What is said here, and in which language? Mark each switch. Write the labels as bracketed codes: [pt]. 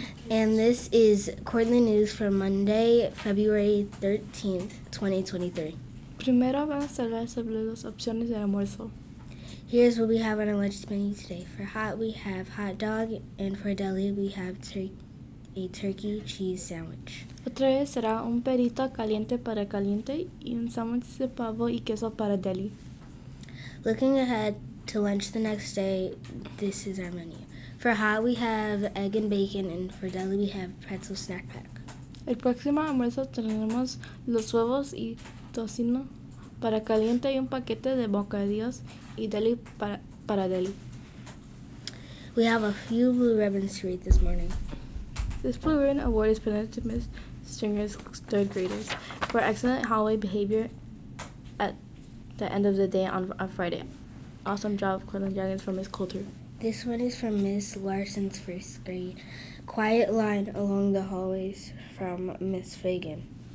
[en] And this is Cortland News for Monday, February 13th, 2023. [es] Primero vamos a hablar sobre las opciones de almuerzo. [en] Here's what we have on our lunch menu today. For hot, we have hot dog, and for deli, we have a turkey cheese sandwich. [es] Otra vez será un perrito caliente para caliente y un sándwich de pavo y queso para deli. [en] Looking ahead to lunch the next day, this is our menu. For hot, we have egg and bacon, and for deli, we have pretzel snack pack. [es] El próximo almuerzo tenemos los huevos y tocino. Para caliente y un paquete de bocadillos y deli para deli. [en] We have a few blue ribbons to read this morning. This blue ribbon award is presented to Ms. Stringer's third graders for excellent hallway behavior at the end of the day on Friday. Awesome job, Cortland Dragons, from Ms. Coulter. This one is from Ms. Larson's first grade. Quiet line along the hallways from Ms. Fagan.